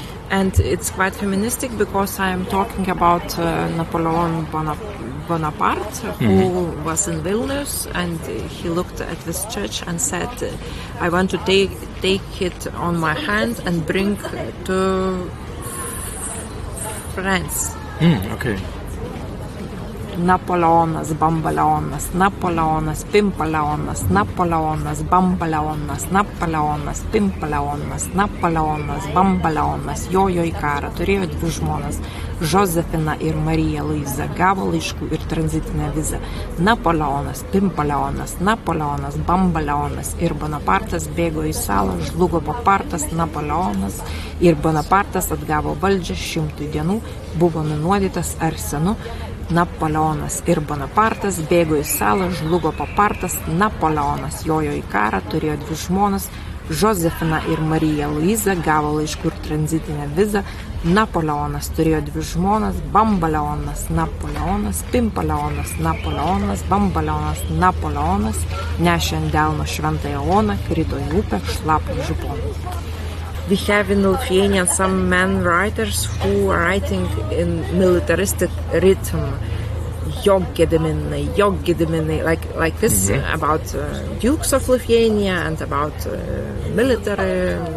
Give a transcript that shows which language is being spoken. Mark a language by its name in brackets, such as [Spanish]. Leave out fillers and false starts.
[English] And it's quite humanistic because I'm talking about Napoleon Bonaparte, who was in Vilnius, and he looked at this church and said, I want to take it on my hand and bring to France. [Lithuanian] Napoleonas, Bambaleonas, Napoleonas, Pimpaleonas, Napoleonas, Bambaleonas, Napoleonas, Pimpaleonas, Napoleonas, Bambaleonas, jojo į karą, turėjo dvi žmonas, Josefina ir Marija Luiza, gavo laiškų ir tranzitinę vizą. Napoleonas, Pimpaleonas, Napoleonas, Bambaleonas ir Bonapartas bėgo į salą, žlugo Bonapartas, Napoleonas ir Bonapartas atgavo valdžią 100 dienų, buvo nunuodytas arsenu. Napoleonas ir Bonapartas bėgo į salą, žlugo Bonapartas, Napoleonas jojo į karą, turėjo dvi žmonas, Josefina ir Marija Luiza gavo laiškų ir tranzitinę vizą, Napoleonas turėjo dvi žmonas, Bambaleonas, Napoleonas, Pimpaleonas, Napoleonas, Bambaleonas, Napoleonas, nešė ant delno šventą Joną, krito į upę, šlapo župoną. [English] We have in Lithuania some men writers who are writing in militaristic rhythm, Jogediminai, like this, about dukes of Lithuania and about military.